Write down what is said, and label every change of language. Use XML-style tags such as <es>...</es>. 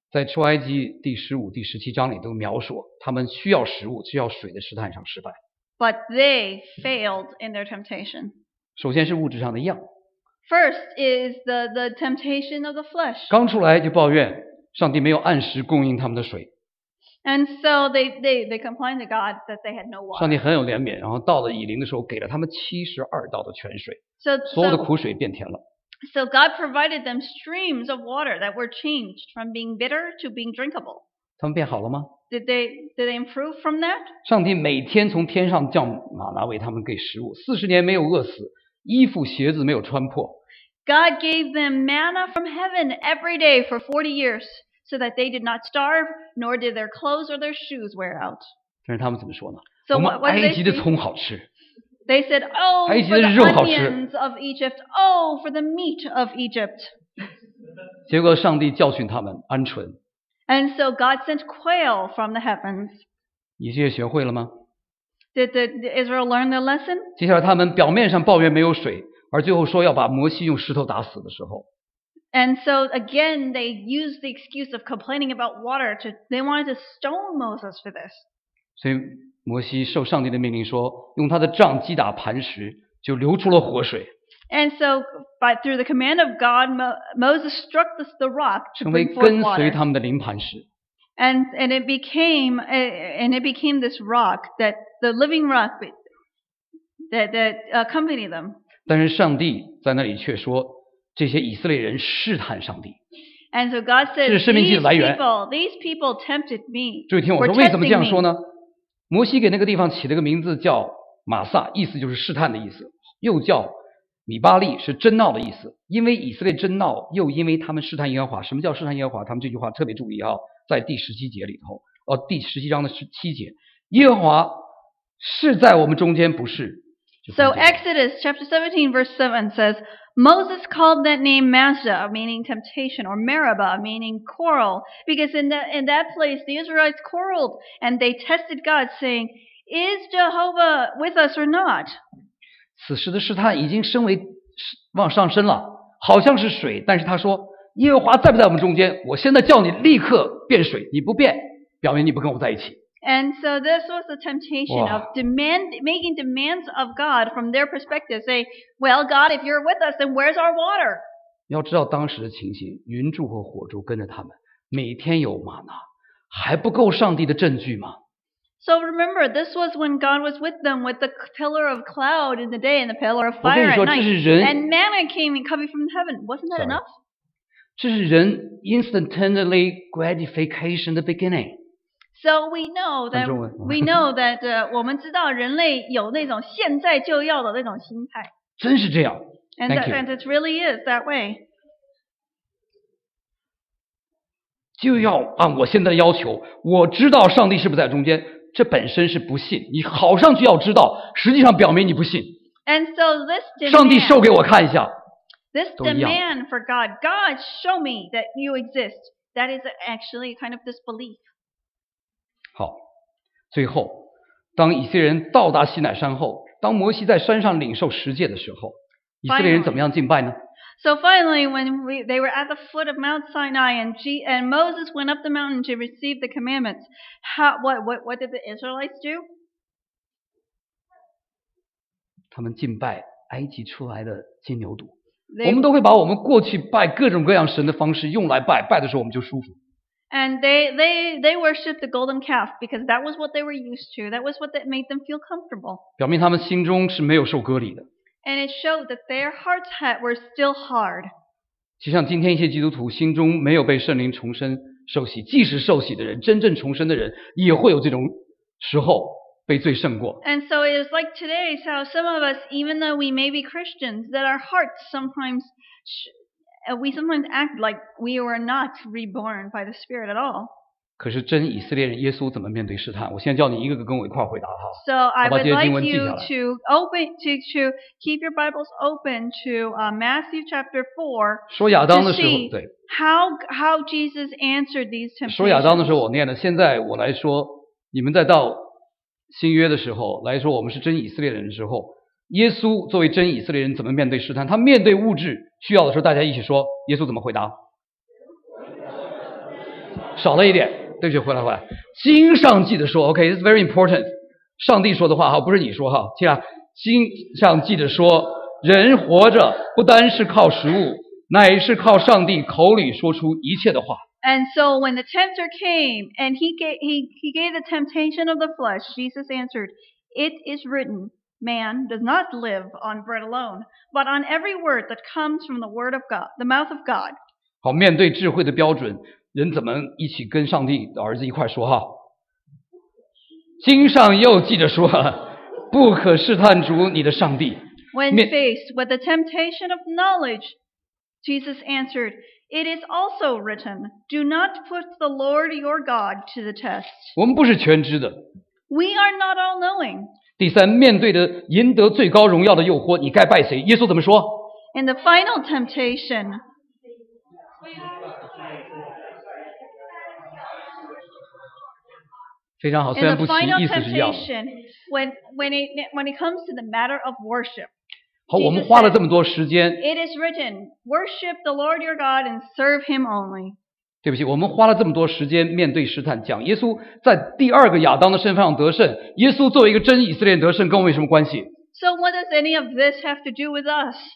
<zh>在出埃及第十五、第十七章里都描述，他们需要食物、需要水的试探上失败。</zh> <en>But they failed in their temptation.</en> <zh>首先是物质上的样。</zh> <en>First is the temptation of the flesh.</en> <zh>刚出来就抱怨上帝没有按时供应他们的水。</zh> <en>And so they complained to God that they had no water.</en> <zh>上帝很有怜悯，然后到了以琳的时候，给了他们72道的泉水。所有的苦水变甜了。</zh> <en>So God provided them streams of water that were changed from being bitter to being drinkable.</en> <zh>他们变好了吗？</zh> <en>Did they improve from that?</en> <zh>上帝每天从天上降玛拿为他们给食物，四十年没有饿死，衣服鞋子没有穿破。</zh> <en>God gave them manna from heaven every day for 40 years. So that they did not starve, nor did their clothes or their shoes wear out.</en> <zh>但是他们怎么说呢？</zh> <en>So what did they say?</en> <zh>埃及的葱好吃。</zh> <en>They said, "Oh, for the onions of Egypt! Oh, for the meat of Egypt!"</en> <zh>结果上帝教训他们鹌鹑。</zh> <en>And so God sent quail from the heavens.</en> <zh>以色列学会了吗？</zh> <en>Did Israel learn their lesson?</en> <zh>接下来他们表面上抱怨没有水，而最后说要把摩西用石头打死的时候。</zh> <en>And so again, they used the excuse of complaining about water. They wanted to stone Moses for this.</en> <zh>所以摩西受上帝的命令说，用他的杖击打磐石，就流出了活水。</zh> <en>And so, by through the command of God, Moses struck the rock to bring forth water.</en> <zh>成为跟随他们的灵磐石。</zh> <en>And it became this rock that the living rock that accompanied them.</en> <zh>但是上帝在那里却说。这些以色列人试探上帝。</zh> <en>And so God said,</en> <zh>是生命记的来源。</zh> <en>These people tempted me.</en> <zh>注意听我说，为什么这样说呢？摩西给那个地方起了个名字叫玛撒，意思就是试探的意思，又叫米巴利，是争闹的意思。因为以色列争闹，又因为他们试探耶和华。什么叫试探耶和华？他们这句话特别注意啊，在第十七节里头，第十七章的七节，耶和华是在我们中间，不是。</zh> <en>So Exodus chapter 17 verse 7 says, Moses called that name Massah, meaning temptation, or Meribah, meaning quarrel, because in that place the Israelites quarreled, and they tested God, saying, Is Jehovah with us or not?</en> <zh>此时的试探已经升为往上升了，好像是水，但是他说，耶和华在不在我们中间？我现在叫你立刻变水，你不变，表明你不跟我在一起。</zh> <en>And so this was the temptation of making demands of God from their perspective. Say, well, God, if you're with us, then where's our water?</en> <zh>要知道当时的情形，云柱和火柱跟着他们，每天有玛拿，还不够上帝的证据吗？</zh> <en>So remember, this was when God was with them with the pillar of cloud in the day and the pillar of fire at night. And manna came and coming from heaven. Wasn't that enough?</en> <zh>这是人</zh> <en>instantaneously gratification the beginning. So we know that</en> <zh>我们知道人类有那种现在就要的那种心态。真是这样。</zh> <en>And it really is that way.</en> <zh>就要按我现在的要求，我知道上帝是不是在中间，这本身是不信。你好上去要知道，实际上表明你不信。</zh> <en>And so this demand,</en> <zh>上帝show给我看一下。</zh> <en>This demand for God, God show me that you exist. That is actually kind of disbelief.</en> <zh>好，最后，当以色列人到达西乃山后，当摩西在山上领受十诫的时候，以色列人怎么样敬拜呢？</zh> <en>So finally, when they were at the foot of Mount Sinai and Moses went up the mountain to receive the commandments, what did the Israelites do?</en> <zh>他们敬拜埃及出来的金牛犊。我们都会把我们过去拜各种各样神的方式用来拜，拜的时候我们就舒服。</zh> <en>And they worshiped the golden calf because that was what they were used to. That was what that made them feel comfortable.</en> <zh>表明他们心中是没有受割礼的。</zh> <en>And it showed that their hearts were still hard.</en> <zh>就像今天一些基督徒心中没有被圣灵重生受洗，即使受洗的人，真正重生的人，也会有这种时候被罪胜过。</zh> <en>And so it is like today, how some of us, even though we may be Christians, that our hearts sometimes. We sometimes act like we were not reborn by the Spirit at all.</en> <zh>可是真以色列人耶稣怎么面对试探？我现在叫你一个个跟我一块回答哈。</zh> <en>So I would like you to open to keep your Bibles open to Matthew chapter 4.</en> <zh>说亚当的时候，对。</zh> <en>How Jesus answered these temptations.</en> <zh>说亚当的时候我念了，现在我来说，你们在到新约的时候来说，我们是真以色列人的时候。耶稣作为真以色列人怎么面对试探？他面对物质需要的时候，大家一起说，耶稣怎么回答？少了一点，对不起，回来。经上记得说 ，OK，</zh> <en>it's very important，</en> <zh>上帝说的话哈，不是你说哈，听啊，经上记得说，人活着不单是靠食物，乃是靠上帝口里说出一切的话。</zh> <en>And so when the tempter came and he gave the temptation of the flesh, Jesus answered, "It is written." Man does not live on bread alone, but on every word that comes from the word of God, the mouth of God.</en> <zh>好，面对智慧的标准，人怎么一起跟上帝的儿子一块说哈？经上又记着说，不可试探主你的上帝。</zh> <en>When faced with the temptation of knowledge, Jesus answered, "It is also written, 'Do not put the Lord your God to the test.'"</en> <zh>我们不是全知的。</zh> <en>We are not all knowing.</en> <zh>第三，面对着赢得最高荣耀的诱惑，你该拜谁？耶稣怎么说</zh> <en>？In the final temptation,</en> <zh>非常好，虽然不齐，意思是一样的。</zh> <en>When it comes to the matter of worship,</en> <zh>好，我们花了这么多时间。</zh> <en>It is written, worship the Lord your God and serve Him only.</en> <zh>对不起，我们花了这么多时间面对试探，讲耶稣在第二个亚当的身份上得胜。耶稣作为一个真以色列人得胜，跟我们有什么关系</zh> <en>？So what does any of this have to do with us？</en>